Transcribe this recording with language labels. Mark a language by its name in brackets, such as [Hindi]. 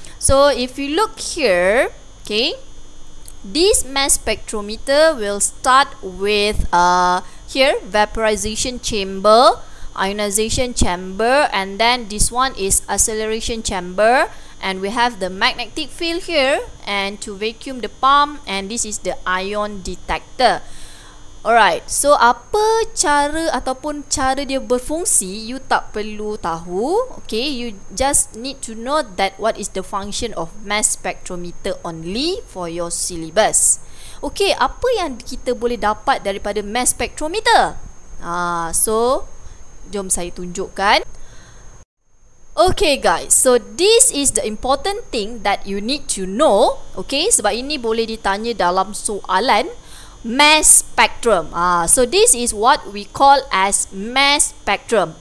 [English] So, if you look here, okay, this mass spectrometer will start with here, vaporization chamber, ionization chamber, and then this one is acceleration chamber, and we have the magnetic field here, and to vacuum the pump, and this is the ion detector. [Malay] Alright, so apa cara ataupun cara dia berfungsi, you tak perlu tahu. [English] Okay, you just need to know that what is the function of mass spectrometer only for your syllabus. [Malay] Okay, apa yang kita boleh dapat daripada mass spectrometer? So, jom saya tunjukkan. [English] Okay guys, so this is the important thing that you need to know. [Malay] Okay, sebab ini boleh ditanya dalam soalan. [English] Mass spectrum. So this is what we call as mass spectrum.